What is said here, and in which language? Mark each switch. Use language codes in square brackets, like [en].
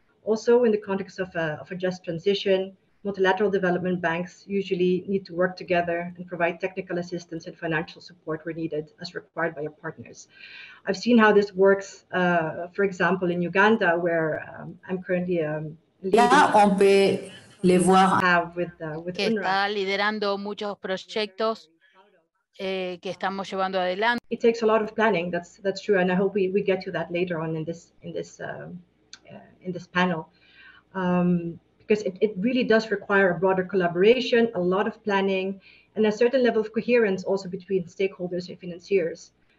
[en] Also, in the context of a just transition, multilateral development banks usually need to work together and provide technical assistance and financial support where needed, as required by your partners. I've seen how this works, for example, in Uganda, where I'm currently leading, [es] está liderando muchos proyectos que estamos llevando adelante. [en] It takes a lot of planning, that's true, and I hope we get to that later on in this panel, because it really does require a broader collaboration, a lot of planning, and a certain level of coherence also between stakeholders and financiers.